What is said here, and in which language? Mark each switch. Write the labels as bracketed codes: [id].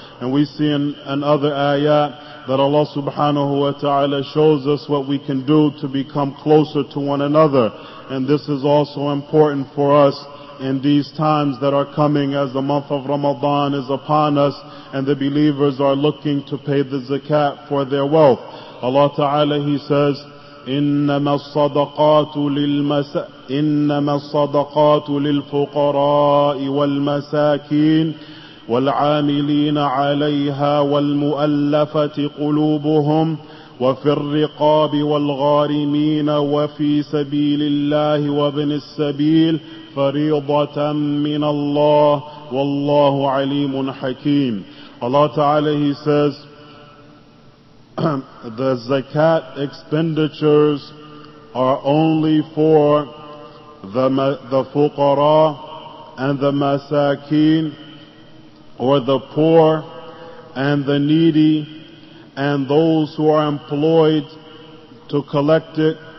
[en] And we see in another ayat that Allah subhanahu wa ta'ala shows us what we can do to become closer to one another. And this is also important for us in these times that are coming, as the month of Ramadan is upon us and the believers are looking to pay the zakat for their wealth. [ar] Allah ta'ala, [en] He says, [ar] إِنَّمَا الصَّدَقَاتُ إنما الصدقات للفقراء والمساكين والعاملين عليها والمؤلفة قلوبهم وفي الرقاب والغارمين وفي سبيل الله وابن السبيل فريضة من الله والله عليم حكيم. [en] Allah Ta'ala, He says, the zakat expenditures are only for the fuqara and the masakin, or the poor and the needy, and those who are employed to collect it